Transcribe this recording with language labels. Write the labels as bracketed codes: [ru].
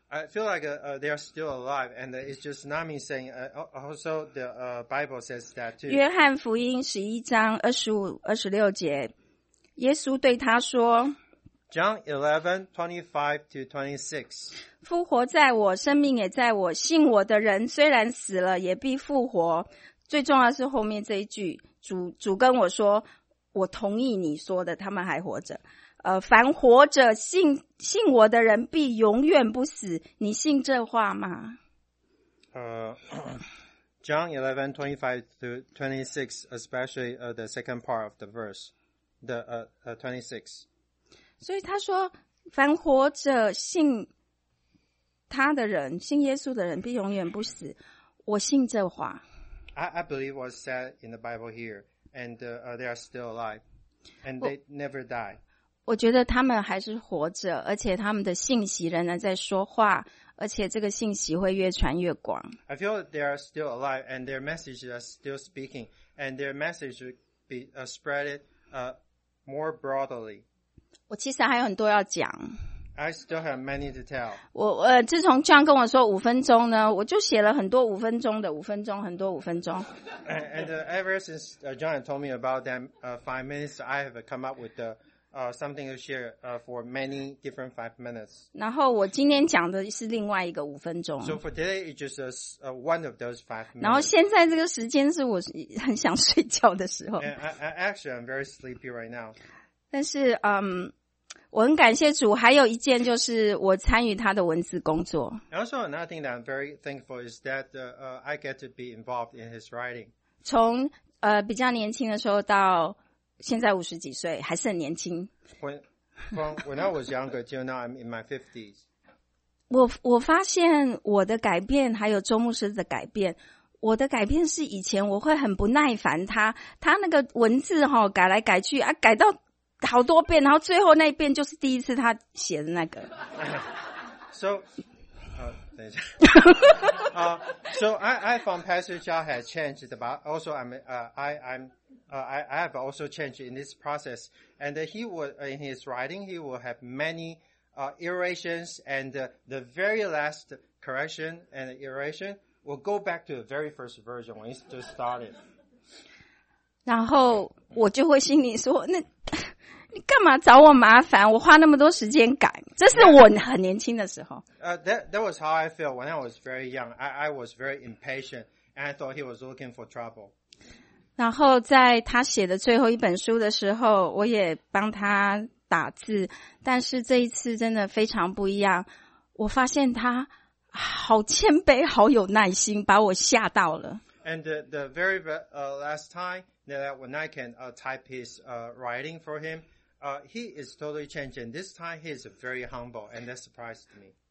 [en] I feel like they are still alive, and it's just not me saying. Also, the Bible says that too. [zh] 约翰福音十一章二十五、二十六节，耶稣对他说 [en] ：“John 11:25-26。 [zh] 复活在我，生命也在我。信我的人，虽然死了，也必复活。最重要的是后面这一句，主跟我说，我同意你说的，他们还活着。” 凡活着信我的人必永远不死，你信这话吗？ [en] John 11:25-26, especially the second part of the verse, the 26. [zh] 所以他说，凡活着信他的人，信耶稣的人必永远不死，我信这话。 [en] I believe what's said in the Bible here, and they are still alive, and they never die. [zh] 我觉得他们还是活着，而且他们的信息仍然在说话，而且这个信息会越传越广。 [en] I feel they are still alive and their message is still speaking, and their message would be spread more broadly. [zh] 我其实还有很多要讲。 [en] I still have many to tell. [zh] 我自从 John 跟我说五分钟呢，我就写了很多五分钟的五分钟，很多五分钟。 [en] And ever since John told me about that 5 minutes, I have come up with something to share for many different 5 minutes. [zh] 然后我今天讲的是另外一个五分钟。 [en] So for today, it's just one of those 5 minutes. [zh] 然后现在这个时间是我很想睡觉的时候。 [en] Actually, I'm very sleepy right now. [zh] 但是我很感谢主。还有一件就是我参与他的文字工作。 [en] Also, another thing that I'm very thankful is that I get to be involved in his writing. [zh] 从比较年轻的时候到现在五十几岁，还是很年轻。 [en] When I was younger, till now I'm in my 50s. [zh] 我发现我的改变，还有周牧师的改变。我的改变是以前我会很不耐烦他那个文字哈、哦、改来改去啊，改到好多遍，然后最后那一遍就是第一次他写的那个。 [en] So, [zh] 等一下。 [en] So I found Pastor Zhao has changed, but also I have also changed in this process. And he would, in his writing, he will have many iterations, and the very last correction and iteration will go back to the very first version when he just started. [zh] 然后我就会心里说，那你干嘛找我麻烦？我花那么多时间改，这是我很年轻的时候。 [en] That was how I feel when I was very young. I was very impatient, and I thought he was looking for trouble. [zh] 然后在他写的最后一本书的时候，我也帮他打字，但是这一次真的非常不一样。我发现他好谦卑，好有耐心，把我吓到了。 [en] And the very last time that when I can type his writing for him, he is totally changed. And this time he is very humble, and that surprised me.